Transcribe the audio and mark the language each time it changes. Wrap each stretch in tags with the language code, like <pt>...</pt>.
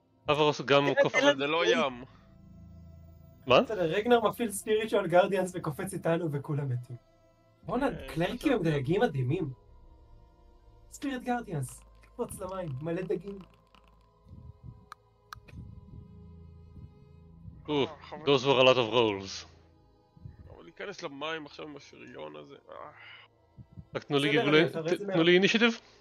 <he>אברוס גם קופץ, זה לא ים. מה? רגנר מפעיל ספיריטואל גארדיאנס וקופץ איתנו וכולם מתים. בוא'נה, קלריקים הם דגים מדהימים. ספיריט גארדיאנס, קפוץ למים, מלא דגים.</he> <en>Those were a lot of rolls.</en> <he>אבל ניכנס למים עכשיו עם השריון הזה. רק תנו לי גיבולי, תנו לי אינישיטיב.</he>